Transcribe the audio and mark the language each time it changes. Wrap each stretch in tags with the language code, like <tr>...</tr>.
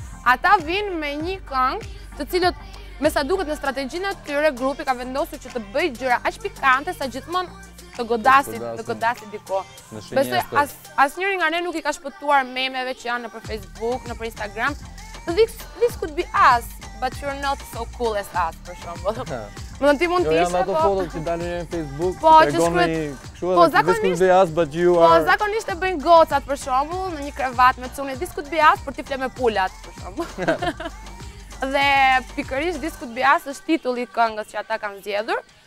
<sq>Ata vinë me një këngë të cilët, me sa duket në strategjinë e tyre, grupi ka vendosur që të bëjë gjëra aq pikante sa gjithmonë të godasit diko. Besoj, asnjëri nga ne nuk i ka shpëtuar memeve që janë nëpër Facebook, nëpër Instagram.</sq> <en>This could be us, but you're not so cool as us,</en> <sq>për shembull. Mund ti mund të ishe ato fotot që dalin në Facebook, po, që tregoni kështu edhe</sq> <en>this could be us, but you are...</en> <sq>Po, zakonisht e bëjnë gocat, për shembull, në një krevat me cunit,</sq> <en>this could be us,</en> <sq>për ti fle me pulat, për shembull. Dhe pikërisht this could be us është titulli i këngës që ata kanë zgjedhur.</sq>